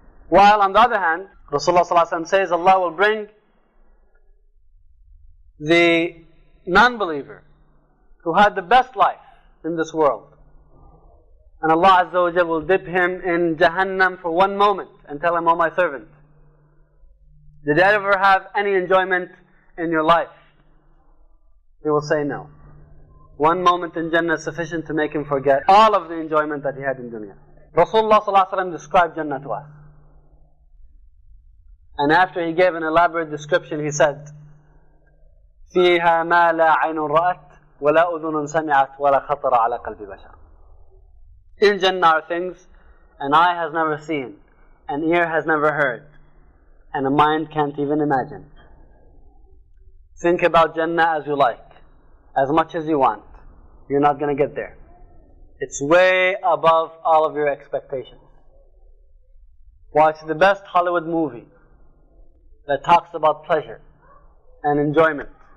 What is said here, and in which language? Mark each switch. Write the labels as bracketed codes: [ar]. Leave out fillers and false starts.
[en] While on the other hand, Rasulullah ﷺ says Allah will bring the non-believer who had the best life in this world, and Allah Azza wa Jal will dip him in Jahannam for one moment and tell him, oh my servant, did you ever have any enjoyment in your life? He will say no. One moment in Jannah is sufficient to make him forget all of the enjoyment that he had in dunya. Rasulullah ﷺ described Jannah to us. And after he gave an elaborate description, he said, [ar] فيها ما لا عين رأت ولا أذن سمعت ولا خطر على قلب بشر. [en] In Jannah are things an eye has never seen, an ear has never heard, and a mind can't even imagine. Think about Jannah as you like, as much as you want. You're not going to get there. It's way above all of your expectations. Watch the best Hollywood movie that talks about pleasure and enjoyment.